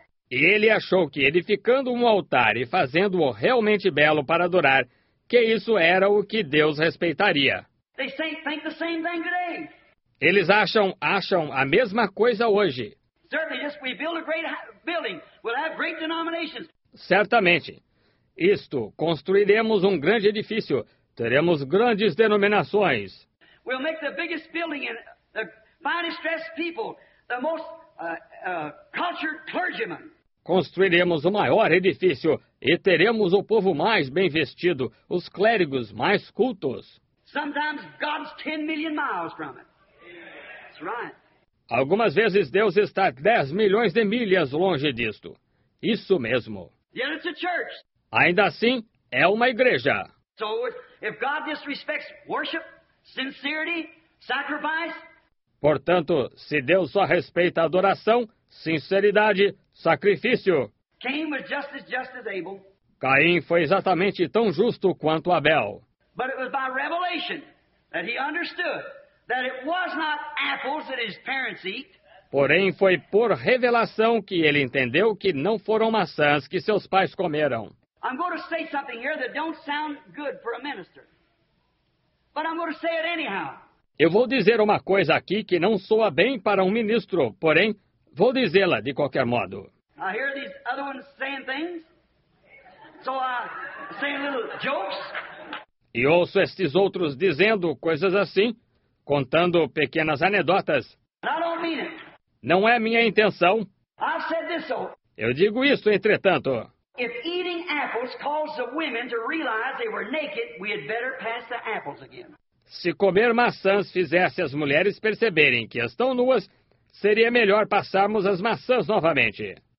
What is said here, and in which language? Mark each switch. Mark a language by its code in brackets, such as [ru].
[pt] E ele achou que edificando um altar e fazendo-o realmente belo para adorar, que isso era o que Deus respeitaria. [en] They think the same thing today. [pt] Eles acham a mesma coisa hoje. [en] Yes, we build a great building. We'll have great denominations. [pt] Certamente. Isto, construiremos um grande edifício. Teremos grandes denominações. [en] We'll make the biggest building and the finest dressed people, the most cultured clergymen. [pt] Construiremos o maior edifício e teremos o povo mais bem vestido, os clérigos mais cultos. [en] Sometimes God's 10 million miles from it. That's right. [pt] Algumas vezes Deus está 10 milhões de milhas longe disto. Isso mesmo. [en] Yet it's a church. [pt] Ainda assim, é uma igreja. [en] So if God disrespects worship, sincerity, sacrifice, [pt] portanto, se Deus só respeita a adoração, sinceridade, sacrifício. [en] Cain was just as just as Abel. [pt] Caim foi exatamente tão justo quanto Abel. [en] But it was by revelation that he understood that it was not apples that his parents eat. [pt] Porém, foi por revelação que ele entendeu que não foram maçãs que seus pais comeram. [en] I'm going to say something here that don't sound good for a minister. But I'm going to say it anyhow. [pt] Eu vou dizer uma coisa aqui que não soa bem para um ministro, porém, vou dizê-la de qualquer modo. [en] I hear these other ones saying things, so I say little jokes. [pt] E ouço estes outros dizendo coisas assim, contando pequenas anedotas. [en] I don't mean it. [pt] Não é minha intenção. [en] I said this, so. [pt] Eu digo isso, entretanto. [en] If eating apples caused the women to realize they were naked, we had better pass the apples again. [pt] Se comer maçãs fizesse as mulheres perceberem que estão nuas, seria melhor passarmos as maçãs novamente.